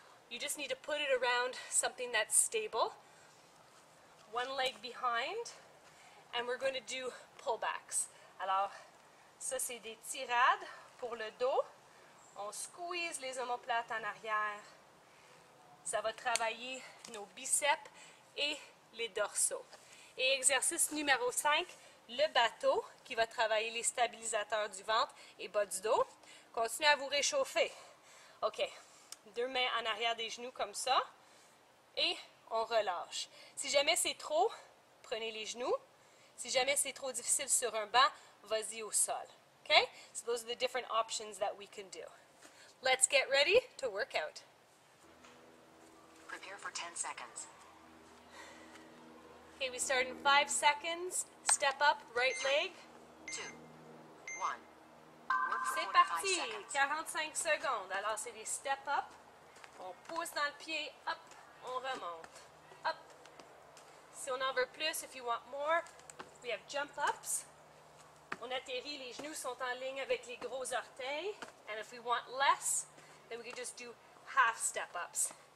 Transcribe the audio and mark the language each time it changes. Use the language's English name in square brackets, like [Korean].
[English] You just need to put it around something that's stable. One leg behind, and we're going to do pullbacks. [French] Alors, ça c'est des tirades pour le dos. On squeeze les omoplates en arrière. Ça va travailler nos biceps et les dorsaux. Et exercice numéro 5, le bateau, qui va travailler les stabilisateurs du ventre et bas du dos. Continuez à vous réchauffer. OK. Deux mains en arrière des genoux comme ça. Et on relâche. Si jamais c'est trop, prenez les genoux. Si jamais c'est trop difficile sur un banc, vas-y au sol. OK? [English] So those are the different options that we can do. Let's get ready to work out. Prepare for 10 seconds. Okay, we start in 5 seconds. Step up, right leg. 2, 1. [French] C'est parti, 45 secondes. Alors, c'est des step up. On pousse dans le pied, hop, on remonte. Hop. Si on en veut plus, [English] if you want more, we have jump ups. [French] On atterrit, les genoux sont en ligne avec les gros orteils. [English] And if we want less, then we can just do half step ups.